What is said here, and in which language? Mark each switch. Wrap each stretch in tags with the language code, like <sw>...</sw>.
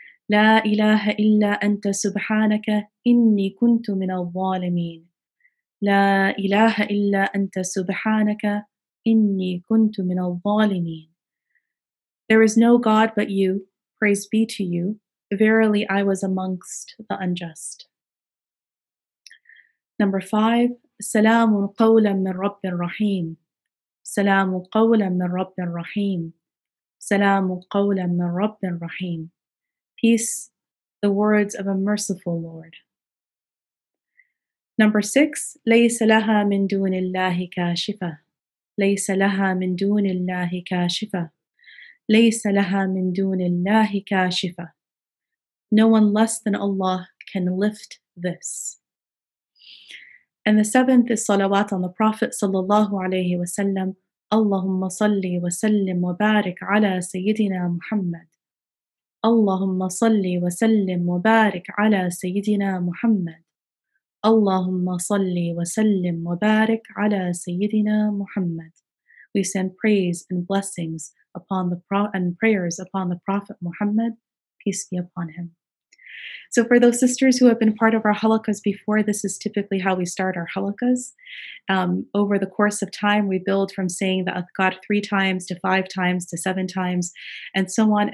<ar>La ilaha illa anta subhanaka inni kuntu min al-zalimin. La ilaha illa anta subhanaka إِنِّي كُنْتُ مِنَ الظَّالِمِينَ.</ar> <en>There is no God but you, praise be to you. Verily, I was amongst the unjust. Number five,</en> <ar>سَلَامٌ قَوْلًا مِنْ رَبِّ الرَّحِيمِ. سَلَامٌ قَوْلًا مِنْ رَبِّ الرَّحِيمِ. سَلَامٌ قَوْلًا مِنْ رَبِّ الرَّحِيمِ.</ar> <en>Peace, the words of a merciful Lord. Number six,</en> <ar>لَيْسَ لَهَا مِنْ دُونِ اللَّهِ كَاشِفَةً. لَيْسَ لَهَا مِنْ دُونِ اللَّهِ كَاشِفَةً. لَيْسَ لَهَا مِنْ دُونِ اللَّهِ كَاشِفَةً.</ar> <en>No one less than Allah can lift this. And the seventh is salawat on the Prophet sallallahu alayhi wa sallam.</en> <ar>اللهم صل وسلم وبارك على سيدنا محمد اللهم صل وسلم وبارك على سيدنا محمد اللهم صل وسلم وبارك على سيدنا محمد.</ar> <en>We send praise and blessings upon the prayers upon the Prophet Muhammad, peace be upon him. So for those sisters who have been part of our halaqas before, this is typically how we start our halaqas. Over the course of time, we build from saying the adhkar 3 times to 5 times to 7 times and so on.</en>